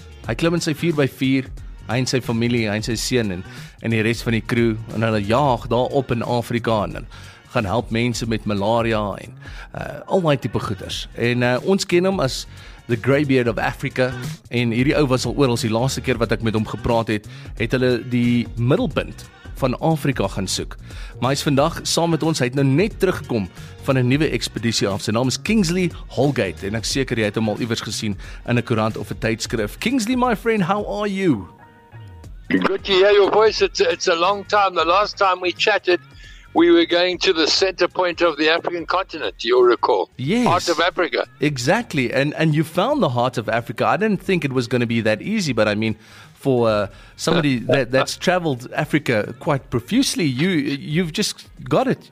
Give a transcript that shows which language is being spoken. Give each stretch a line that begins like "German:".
Afrikaans: Hy klim in sy 4x4, hy en sy familie, hy en sy seun en die res van die crew en hulle jaag daar op in Afrika en gaan help mense met malaria en al my tipe goeders. En ons ken hom as the Greybeard of Africa. En hierdie ou was al oral, die laaste keer wat ek met hom gepraat het, het hulle die middelpunt van Afrika gaan soek. Maar hy is vandag saam met ons, hy het nou net teruggekom van 'n nuwe ekspedisie af. Sy naam is Kingsley Holgate en ek seker jy het hom al iewers gesien in 'n koerant of 'n tydskrif.
English: Kingsley, my friend, how are you? Good to hear your voice. It's a long time. The last time we chatted, we were going to the center point of the African continent, you'll recall. Yes. Heart of Africa. Exactly. And you found the heart of Africa. I didn't think it was going to be that easy, but I mean, for somebody that's traveled Africa quite profusely, you've just got it.